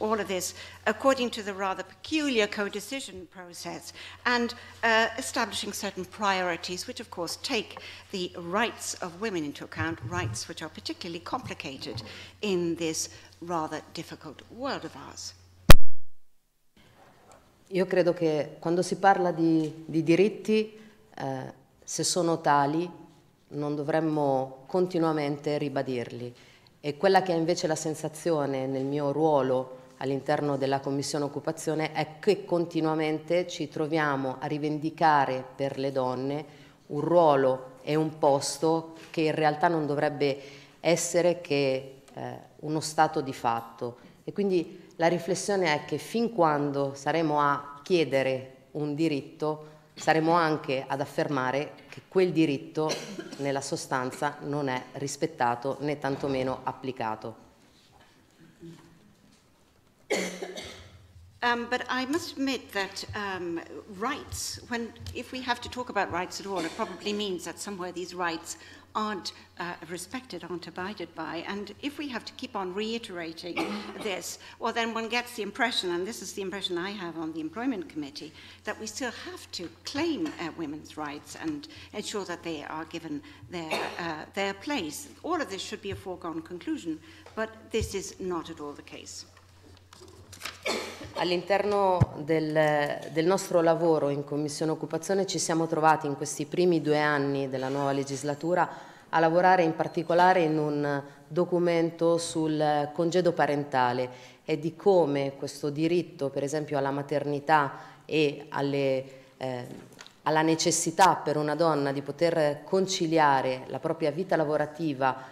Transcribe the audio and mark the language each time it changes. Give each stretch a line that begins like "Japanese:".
English: All of this according to the rather peculiar co-decision process, and establishing certain priorities, which of course take the rights of women into account, rights which are particularly complicated in this rather difficult world of ours.
Italian: Io credo che quando si parla di diritti, se sono tali, non dovremmo continuamente ribadirli. E quella che è invece la sensazione nel mio ruolo all'interno della Commissione Occupazione è che continuamente ci troviamo a rivendicare per le donne un ruolo e un posto che in realtà non dovrebbe essere che uno stato di fatto. E quindi la riflessione è che fin quando saremo a chiedere un diritto, saremo anche ad affermare che quel diritto nella sostanza non è rispettato né tantomeno applicato.
English: But I must admit that rights, when if we have to talk about rights at all, it probably means that somewhere these rights aren't respected, aren't abided by. And if we have to keep on reiterating this, well, then one gets the impression, and this is the impression I have on the Employment Committee, that we still have to claim women's rights and ensure that they are given their place. All of this should be a foregone conclusion, but this is not at all the case.
Italian: All'interno del nostro lavoro in Commissione Occupazione ci siamo trovati in questi primi due anni della nuova legislatura a lavorare in particolare in un documento sul congedo parentale e di come questo diritto, per esempio, alla maternità e alla necessità per una donna di poter conciliare la propria vita lavorativa